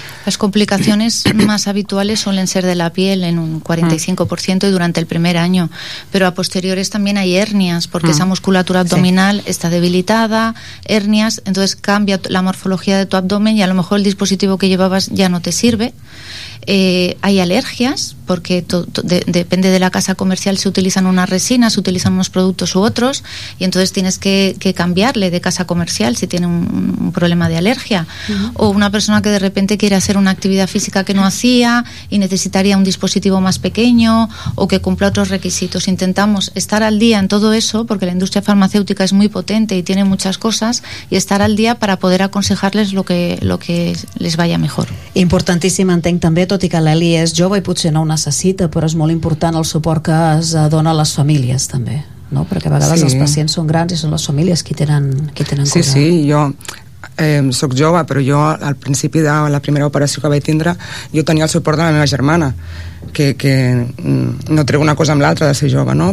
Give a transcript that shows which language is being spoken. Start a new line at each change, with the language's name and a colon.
Catalan: Les complicacions més habituals solen ser de la piel en un 45% i durant el primer any, però a posteriores també hi ha hèrnies, perquè esa musculatura abdominal està debilitada, hèrnies,
Spanish: entonces cambia la morfologia de tu abdomen i a lo mejor el dispositivo que llevabas ya no te sirve. Hay alergias, porque depende de la casa comercial, se utilizan unas resinas, se utilizan unos productos u otros, y entonces tienes que cambiarle de casa comercial si tiene un problema de alergia. Uh-huh. O una persona que de repente quiere hacer una actividad física que no hacía y necesitaría un dispositivo más pequeño o que cumpla otros requisitos. Intentamos estar al día en todo eso, porque la industria farmacéutica es muy potente y tiene muchas cosas, y estar al día para poder aconsejarles lo que les vaya mejor.
Catalan: Importantíssim, entenc també, tot i que l'Eli és jove i potser no ho necessita, però és molt important el suport que es dona a les famílies també, no? Perquè a vegades sí. Els pacients són grans i són les famílies qui tenen cura. Sí, jo soc jove, però jo al principi de la primera operació que vaig tindre jo tenia el suport de la meva germana, que no treu una cosa amb l'altra de ser jove, no?